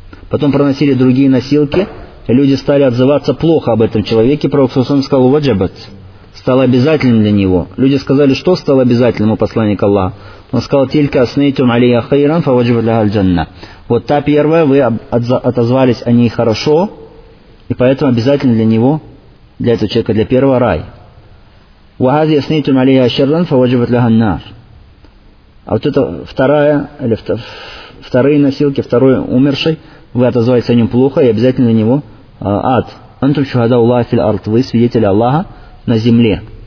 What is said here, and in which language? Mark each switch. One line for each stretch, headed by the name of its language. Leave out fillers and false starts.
Russian: Потом проносили другие носилки, и люди стали отзываться плохо об этом человеке, пророк, салям, сказал: «Ваджабат», стало обязательным для него. Люди сказали: «Что стало обязательным у посланника Аллаха?» Он сказал:
Arabic: «Тилька аснейтум алия хайран фаваджиба ля аль-джанна».
Russian: Вот та первая, вы отозвались о ней хорошо, и поэтому обязательно для него, для этого человека, для первого рай.
Arabic: وهذه أثنيتم عليها شرا فوجبت لها النار.
Russian: А вот это вторая, или вторые носилки, второй умерший, вы отозвались о нем плохо, и обязательно на него ад.
Arabic: Антум шухада Аллаха фил ард,
Russian: вы свидетели Аллаха на земле.